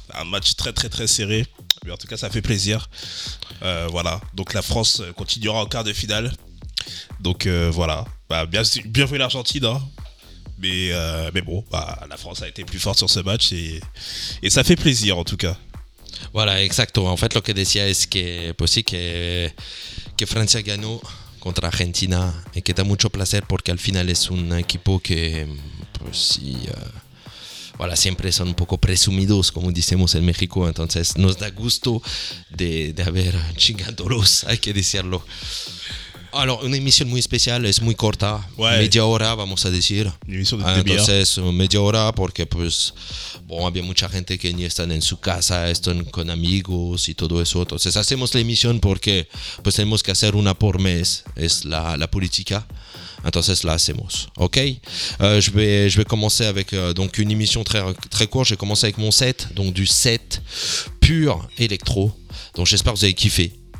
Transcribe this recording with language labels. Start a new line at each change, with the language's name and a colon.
French: Un match très très très serré, mais en tout cas ça fait plaisir. Voilà, donc la France continuera en quart de finale. Donc voilà, bah, bien joué l'Argentine hein. Mais bon, bah, la France a été plus forte sur ce match et ça fait plaisir en tout cas. Voilà, exactement. En fait,
Spanish: lo que decía es que pues sí que Francia ganó contra Argentina y que da mucho placer porque al final es un equipo que pues sí
French: voilà,
Spanish: siempre son un poco presumidos como decimos en México. Entonces, nos da gusto de haber chingándolos, hay que decirlo.
French: Alors, une émission
Spanish: muy
French: spéciale,
Spanish: es muy corta,
French: ouais.
Spanish: Media hora, vamos a decir.
French: Une émission de demi-heure.
Spanish: Entonces, media hora, porque pues,
French: bon,
Spanish: había mucha gente que ni están en su casa, están con amigos y todo eso. Entonces, hacemos la émission porque pues tenemos que hacer una por mes, es la política. Entonces, la hacemos, ¿ok?
French: Je vais commencer avec donc une émission très, très courte. J'ai commencé avec mon set, donc du set pur électro. Donc, j'espère que vous avez kiffé.